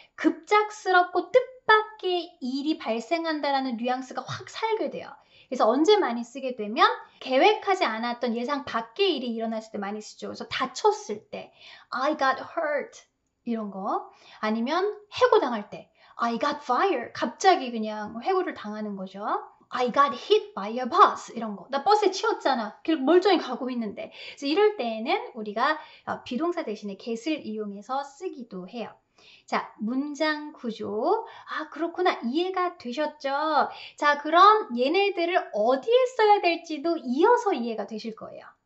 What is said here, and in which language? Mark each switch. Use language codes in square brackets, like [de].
[ko] 급작스럽고 뜻밖의 일이 발생한다라는 뉘앙스가 확 살게 돼요. 그래서 언제 많이 쓰게 되면 계획하지 않았던 예상 밖의 일이 일어났을 때 많이 쓰죠. 그래서 다쳤을 때 [en] I got hurt [ko] 이런 거 아니면 해고당할 때 [en] I got fired [ko] 갑자기 그냥 해고를 당하는 거죠. [en] I got hit by a bus [ko] 이런 거. 나 버스에 치였잖아. 계속 멀쩡히 가고 있는데. 그래서 이럴 때에는 우리가 비동사 대신에 get을 이용해서 쓰기도 해요. 자, 문장 구조. 아, 그렇구나. 이해가 되셨죠? 자, 그럼 얘네들을 어디에 써야 될지도 이어서 이해가 되실 거예요.